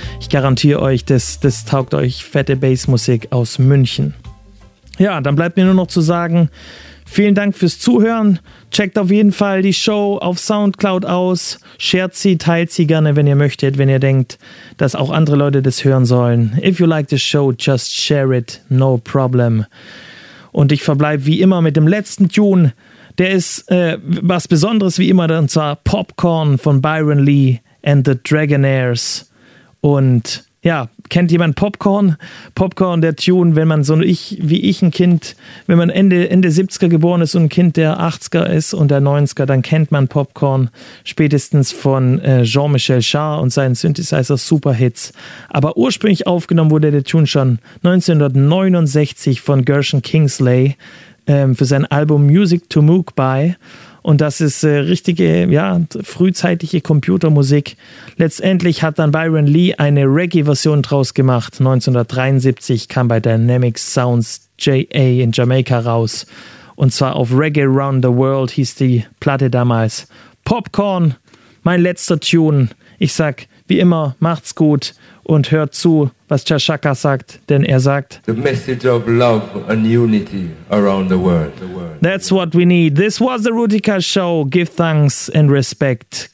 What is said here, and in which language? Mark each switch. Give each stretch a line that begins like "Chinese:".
German: Ich garantiere euch, das taugt euch fette Bassmusik aus München. Ja, dann bleibt mir nur noch zu sagen, vielen Dank fürs Zuhören. Checkt auf jeden Fall die Show auf Soundcloud aus. Shared sie, teilt sie gerne, wenn ihr möchtet, wenn ihr denkt, dass auch andere Leute das hören sollen.
English: If you like the show, just share it, no problem.
German: Und ich verbleibe wie immer mit dem letzten Tune. Der ist was Besonderes wie immer, und zwar Popcorn von Byron Lee and the Dragonairs. Und ja, kennt jemand Popcorn? Popcorn, der Tune, wenn man so wie ich ein Kind, wenn man Ende 70er geboren ist und ein Kind der 80er ist und der 90er, dann kennt man Popcorn spätestens von Jean-Michel Jarre und seinen Synthesizer-Superhits. Aber ursprünglich aufgenommen wurde der Tune schon 1969 von Gershon Kingsley für sein Album Music to Moog By. Und das ist richtige, ja, frühzeitige Computermusik. Letztendlich hat dann Byron Lee eine Reggae-Version draus gemacht. 1973 kam bei Dynamic Sounds J.A. in Jamaika raus. Und zwar auf Reggae Round the World hieß die Platte damals. Popcorn, mein letzter Tune. Ich sag, wie immer, macht's gut und hört zu, was Chashaka sagt, denn er sagt:
English: The message of love and unity around the world. That's what we need. This was the Rootikal Show. Give thanks and respect.